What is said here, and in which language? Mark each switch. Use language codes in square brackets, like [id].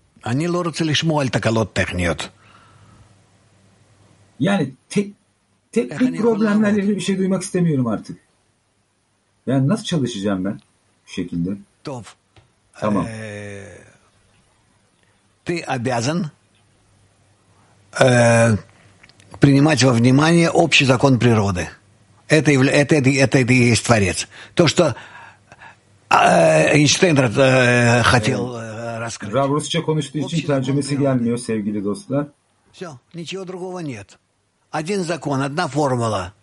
[he] אני לא רוצה לשמוע על תקלות טכניות. [tr] Yani teknik problemlerle ilgili bir şey duymak istemiyorum artık. Yani nasıl çalışacağım ben bu şekilde? [he] טוב. [tr] Tamam. [ru] Ты обязан принимать во внимание общий закон природы. Это и есть творец. То, что Эйнштейн хотел раскрыть. [tr] Rab Rusça konuştuğu için tercümesi gelmiyor sevgili dostlar. [ru] Все, ничего другого нет. Один закон, одна формула.